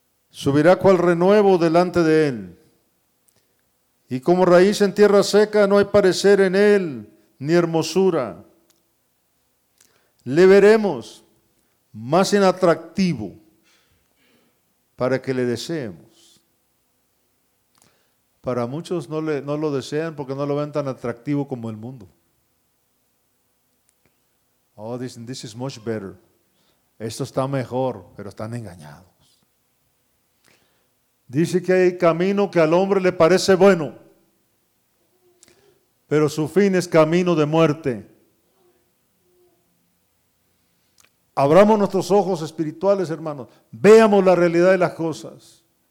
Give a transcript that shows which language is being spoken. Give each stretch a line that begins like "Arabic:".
Spanish: Subirá cual renuevo delante de él, y como raíz en tierra seca no hay parecer en él ni hermosura. Le veremos más inatractivo para que le deseemos. Para muchos no lo desean porque no lo ven tan atractivo como el mundo.
English: Oh,
Spanish: dicen,
English: this is much better.
Spanish: Esto está mejor, pero están engañados. Dice que hay camino que al hombre le parece bueno, pero su fin es camino de muerte. Abramos nuestros ojos espirituales, hermanos. Veamos la realidad de las cosas.